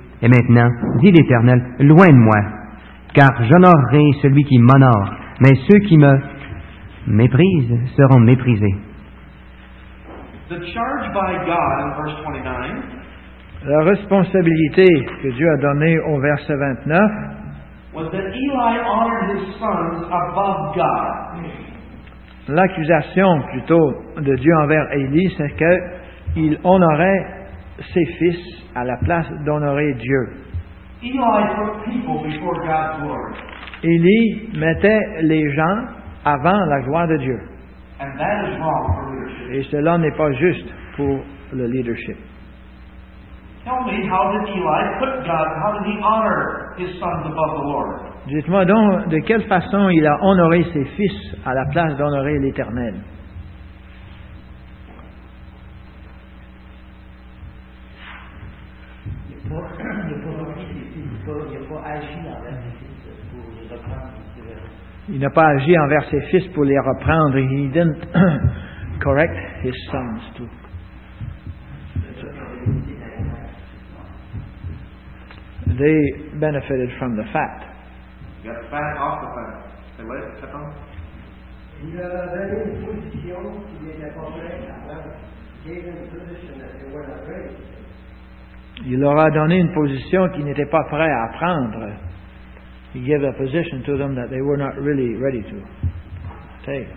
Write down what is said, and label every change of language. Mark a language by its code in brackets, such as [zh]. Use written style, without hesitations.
[fr] Et maintenant, dit l'Éternel, loin de moi. Car j'honorerai celui qui m'honore, mais ceux qui me méprisent seront méprisés. [en] The charge by God in verse 29, [fr] La responsabilité que Dieu a donnée au verset 29 [en] was that Eli honored his sons above God. [fr] L'accusation plutôt de Dieu envers Élie, c'est qu'il honorait ses fils à la place d'honorer Dieu. [en] Eli put people before God's glory. [fr] Élie mettait les gens avant la gloire de Dieu. [en] And that is wrong for leadership. [fr] Et cela n'est pas juste pour le leadership. [en] Tell me, how did Eli put God, how did he honor his sons above the Lord? [fr] Dites-moi donc, de quelle façon il a honoré ses fils à la place d'honorer l'Éternel? Il n'a pas agi envers ses fils pour les reprendre. [en] He didn't correct his sons too. They benefited from the fat. Got the fat off the fat. They let it step on. [fr] Il avait une position qui lui était contraire. [en] Gave him a position that they were not ready. [fr] Il leur a donné une position qu'ils n'étaient pas prêts à prendre. [en] He gave a position to them that they were not really ready to take.